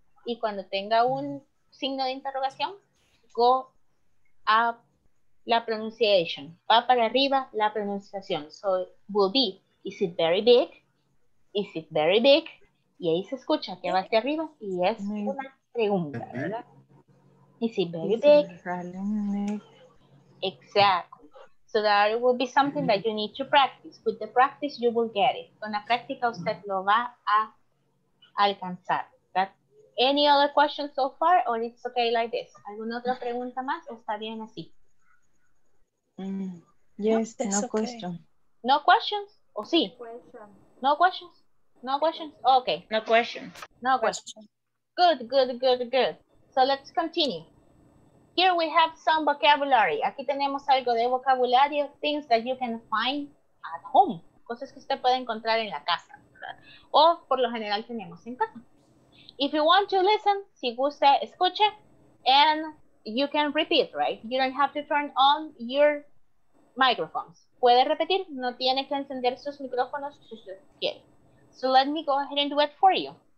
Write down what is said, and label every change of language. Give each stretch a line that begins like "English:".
Spanish: Y cuando tenga un signo de interrogación,
English: go up
Spanish: la pronunciation. Va para arriba la pronunciación.
English: So, will be, is it very big? Is it very big?
Spanish: Y ahí se escucha que va hacia arriba y es una pregunta, ¿verdad?
English: Is it very big? Exacto. So that will be something that you need to practice. With the practice, you will get it.
Spanish: Con la práctica, usted lo va a alcanzar.
English: That, any other questions so far, or it's okay like this?
Spanish: ¿Alguna otra pregunta más? ¿O está bien así?
English: Yes, no question. No questions?
Spanish: ¿O sí?
English: No questions? No questions? Okay. No questions. No questions. Good, good, good, good. So let's continue. Here we have some vocabulary.
Spanish: Aquí tenemos algo de vocabulario,
English: things that you can find at home.
Spanish: Cosas que usted puede encontrar en la casa, ¿verdad? O por lo general tenemos en casa.
English: If you want to listen,
Spanish: si gusta, escuche.
English: And you can repeat, right? You don't have to turn on your microphones.
Spanish: Puede repetir, no tiene que encender sus micrófonos si usted quiere.
English: So let me go ahead and do it for you.